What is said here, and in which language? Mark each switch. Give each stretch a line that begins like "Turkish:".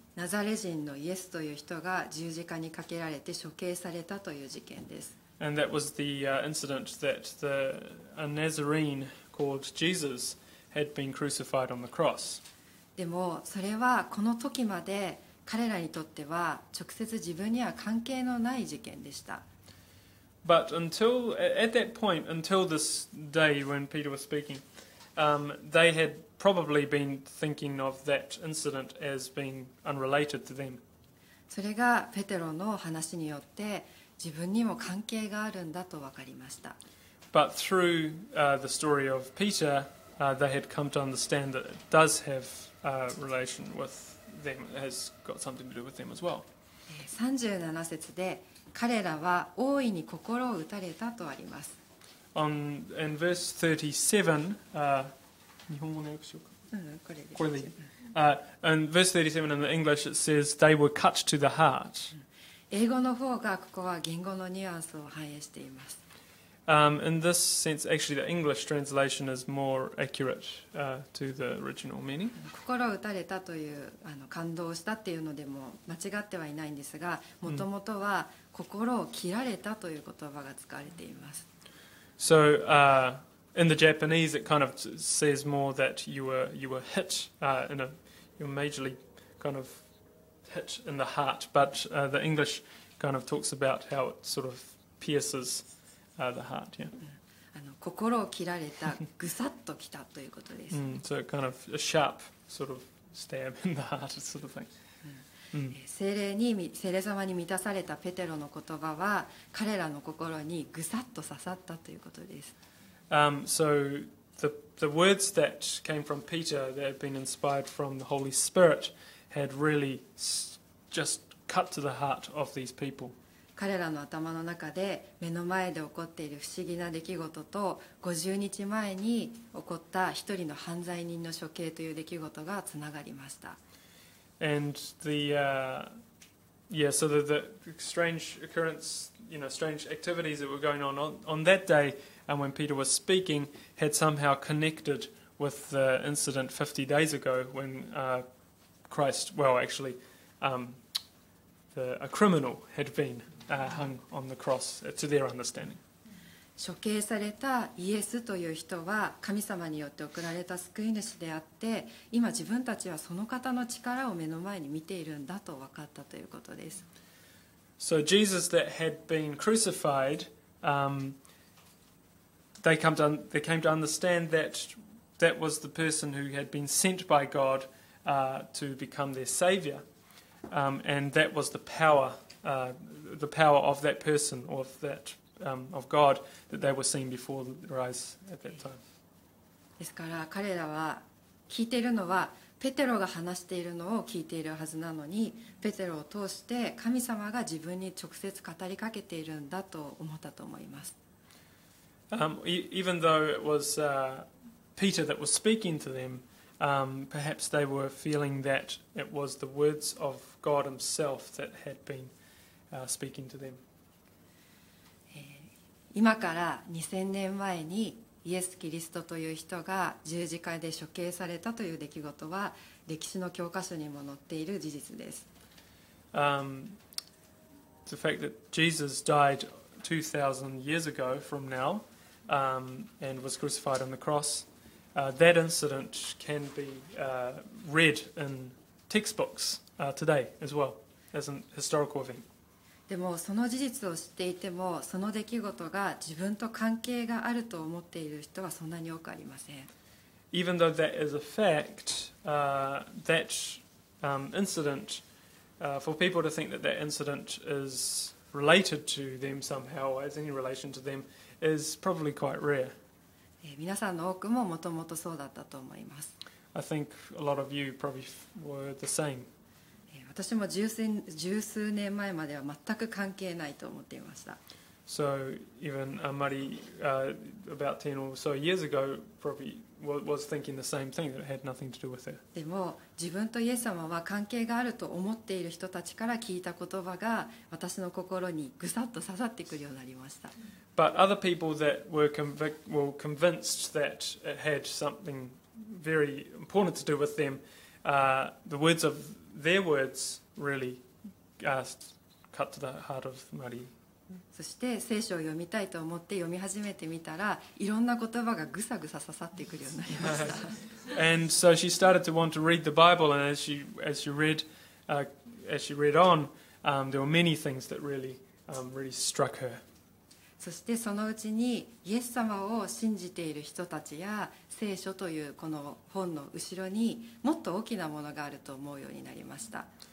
Japanese: ナザレ人のイエスという人が十字架にかけられて処刑されたという事件です。
English: And that was the incident that the a Nazarene called Jesus had been crucified on the cross.
Japanese: でもそれはこの時まで彼らにとっては直接自分には関係のない事件でした。
English: But until at that point, until this day when Peter was speaking, they had. Probably been thinking of that incident as being unrelated to them.
Japanese: それがペテロの話によって自分にも関係があるんだと分かりました。
English: But through the story of Peter, they had come to understand that it does have a relation with them, it has got something to do with them as well.
Japanese: 37節で彼らは大いに心を打たれたとあります。
English: In verse 37,
Japanese: 日本語の訳しようか。これでいい。
English: In verse 37 in the English it says they were cut to the heart.
Japanese: 英語の方がここは言語のニュアンスを反映しています。
English: In this sense, actually the English translation is more accurate, to the original meaning.
Japanese: 心を打たれたという感動したっていうのでも間違ってはいないんですが、もともとは心を切られたという言葉が使われています。
English: So, In the Japanese, it kind of says more that you were hit in a you're majorly kind of hit in the heart, but the English kind of talks about how it sort of pierces the heart. Yeah.
Japanese: 心を切られたぐさっときたということです。
English: So kind of a sharp sort of stab in the heart sort of thing.
Japanese: 聖霊様に満たされたペテロの言葉は彼らの心にぐさっと刺さったということです。
English: So the words that came from Peter that had been inspired from the Holy Spirit had really just cut to the heart of these people.
Japanese: 彼らの頭の中で目の前で起こっている不思議な出来事と50日前に起こった一人の犯罪人の処刑という出来事がつながりました。
English: And the yeah, so the strange occurrence, you know, strange activities that were going on that day. And when Peter was speaking, had somehow connected with the incident 50 days ago when a criminal had been hung on the cross, to their understanding.
Japanese: 処刑されたイエスという人は神様によって贈られた救い主であって、今自分たちはその方の力を目の前に見ているんだと分かったということです。
English: So Jesus that had been crucified, They came to understand that was the person who had been sent by God to become their savior, and that was the power of that person or of that of God that they were seeing before their eyes at that time.
Japanese: ですから彼らは聞いているのはペテロが話しているのを聞いているはずなのに、ペテロを通して神様が自分に直接語りかけているんだと思ったと思います。
English: Even though it was Peter that was speaking to them, perhaps they were feeling that it was the words of God Himself that had been speaking to them.
Japanese: 今から2000年前にイエス・キリストという人が十字架で処刑されたという出来事は歴史の教科書にも載っている事実です。
English: The fact that Jesus died 2000 years ago from now, and was crucified on the cross, that incident can be read in textbooks today as well as an historical event.
Japanese: でもその事実を知っていても、その出来事が自分と関係があると思っている人はそんなに多くありません。
English: Even though that is a fact, that incident, for people to think that that incident is related to them somehow, or has any relation to them, is probably quite rare.
Japanese: 皆さんの多くももともとそうだったと思います。
English: I think a lot of you probably were the same.
Japanese: 私も十数年前までは全く関係ないと思っていました。
English: So even Amari, about 10 or so years ago, probably was thinking the same thing, that it had nothing to do with it.
Japanese: でも自分とイエス様は関係があると思っている人たちから聞いた言葉が私の心にぐさっと刺さってくるようになりました。
English: But other people that were convinced that it had something very important to do with them, the words ofTheir words really cut to the heart of Marie.
Japanese: そして聖書を読みたいと思って読み始めてみたら、いろんな言葉がぐさぐさ刺さってくるようになりました。
English: And so she started to want to read the Bible, and as she read on, there were many things that really struck her.
Japanese: そしてそのうちにイエス様を信じている人たちや聖書というこの本の後ろにもっと大きなものがあると思うようになりました。